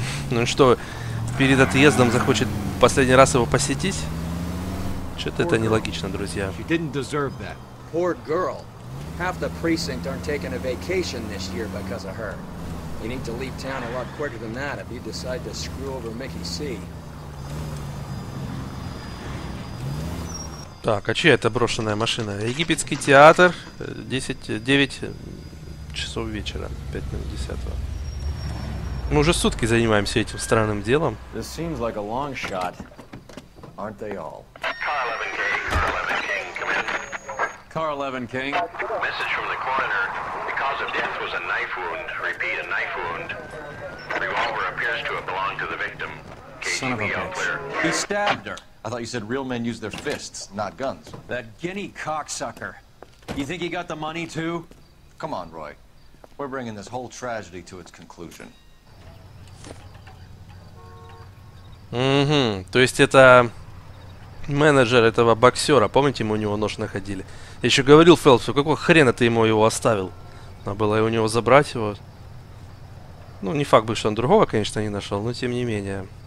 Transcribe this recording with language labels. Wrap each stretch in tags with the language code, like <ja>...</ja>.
<ru>Ну что, перед отъездом захочет последний раз его посетить? Что-то это нелогично, друзья.</ru> <en>She didn't deserve that. Poor girl. Half the precinct aren't taking a vacation this year because of her. You need to leave town a lot quicker than that if you decide to screw over Mickey C.</en> <ru>Так, а чья это брошенная машина? Египетский театр. 10-9 часов вечера. 5:10. Мы уже сутки занимаемся этим странным делом.</ru> <en>This seems like a long shot. Aren't they all? Car 11 King. Car 11 King, come in. Car 11 King. Message from the coroner. The cause of death was a knife wound. Repeat, a knife wound. Revolver appears to have belonged to the victim. Son of a bitch. He stabbed her. I thought you said real men use their fists, not guns. That guinea cocksucker. You think he got the money too? Come on, Roy. We're bringing this whole tragedy to its conclusion.</en> <ru>Угу, то есть это менеджер этого боксера, помните, мы у него нож находили? Я еще говорил Фелпсу, какого хрена ты ему его оставил? Надо было у него забрать его. Ну, не факт бы, что он другого, конечно, не нашел, но тем не менее.</ru>